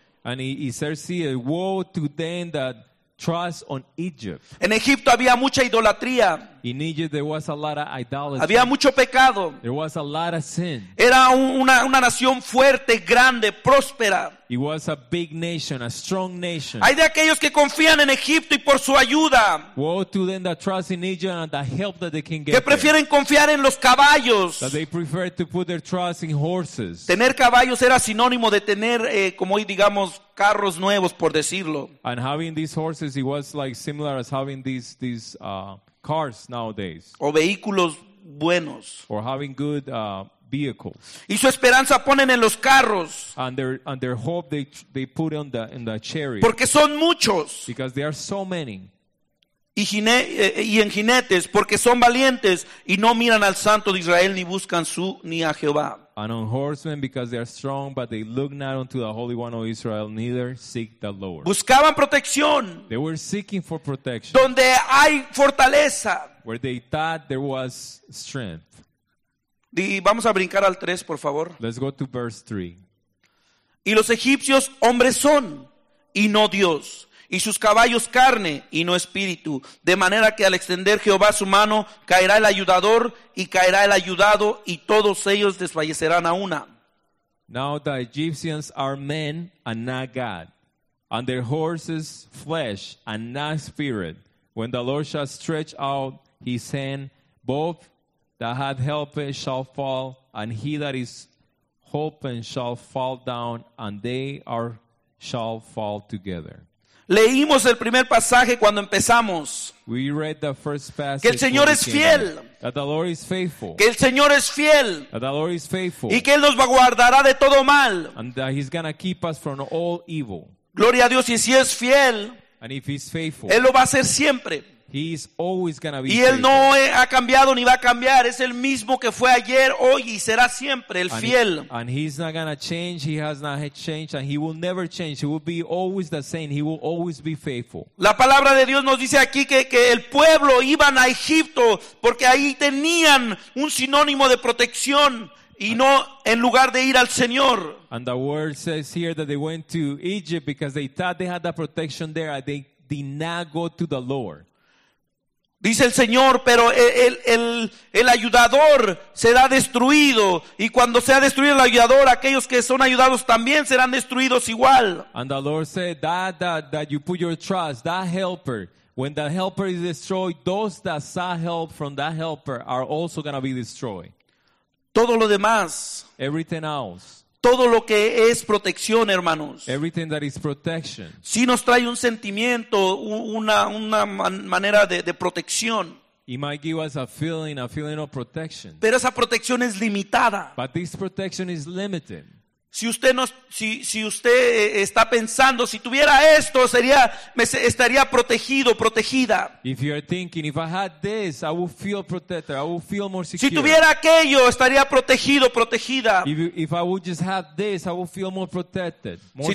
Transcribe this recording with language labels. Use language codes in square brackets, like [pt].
[en] And he says here, woe to them that trust on Egypt. [es] En Egipto había mucha idolatría. [en] In Egypt there was a lot of idolatry. [es] Había mucho pecado. [en] There was a lot of sin. [es] Era una nación fuerte, grande, próspera. [en] It was a big nation, a strong nation. [es] Hay de aquellos que confían en Egipto y por su ayuda. [en] Woe to them that trust in Egypt and the help that they can get. [es] Que prefieren [en] there. [es] Confiar en los caballos. [en] That they prefer to put their trust in horses. [es] Tener caballos era sinónimo de tener, como hoy digamos, carros nuevos, por decirlo. [en] And having these horses, it was like similar as having these cars nowadays. [es] O vehículos buenos. [en] Or having good vehicles. [es] Y su esperanza ponen en los carros. [en] And their hope they put in the chariot. [es] Porque son muchos. [en] Because there are so many. [es] Y en jinetes, porque son valientes y no miran al Santo de Israel ni buscan ni a Jehová. [en] And on horsemen because they are strong, but they look not unto the Holy One of Israel, neither seek the Lord. [es] Buscaban protección. [en] They were seeking for protection. [es] Donde hay fortaleza. [en] Where they thought there was strength. [es] Vamos a brincar al 3, por favor. [en] Let's go to verse 3. [es] Y los egipcios hombres son, y no Dios. Y sus caballos carne, y no espíritu. De manera que al extender Jehová su mano, caerá el ayudador, y caerá el ayudado, y todos ellos desfallecerán a una. [en] Now the Egyptians are men, and not God. And their horses, flesh, and not spirit. When the Lord shall stretch out his hand, both that have helped shall fall, and he that is hoping shall fall down, and they shall fall together. [es] Leímos el primer pasaje cuando empezamos. [en] We read the first passage. [es] Que el Señor es fiel. [en] That the Lord is faithful. [es] Que el Señor es fiel. [en] That the Lord is faithful. [es] Y que Él nos guardará de todo mal. [en] And that He's gonna keep us from all evil. [es] Gloria a Dios, y si es fiel. [en] And if He's faithful. [es] Él lo va a hacer siempre. [en] He's always gonna be [es] y Él [en] faithful. [es] No ha cambiado ni va a cambiar. Es el mismo que fue ayer, hoy y será siempre el fiel. [en] And He's not gonna change. He has not changed and He will never change. He will be always the same. He will always be faithful. [es] La palabra de Dios nos dice aquí que el pueblo iban a Egipto porque ahí tenían un sinónimo de protección y no en lugar de ir al Señor. [en] And the word says here that they went to Egypt because they thought they had the protection there. They did not go to the Lord. [es] Dice el Señor, pero el ayudador será destruido. Y cuando sea destruido el ayudador, aquellos que son ayudados también serán destruidos igual. [en] And the Lord said, that you put your trust, that helper, when that helper is destroyed, those that sought help from that helper are also going to be destroyed. [es] Todo lo demás. [en] Everything else. [es] Todo lo que es protección, hermanos. [en] Everything that is protection. [es] Sí nos trae un sentimiento, una manera de protección. [en] It might give us a feeling of protection. [es] Pero esa protección es limitada. [en] But this protection is limited. [es] Si usted está pensando, si tuviera esto, estaría protegido, protegida. [en] If you are thinking, if I had this, I would feel protected, I would feel more secure. [es] Si tuviera aquello, estaría protegido, protegida. [en] If I would just have this, I would feel more protected, more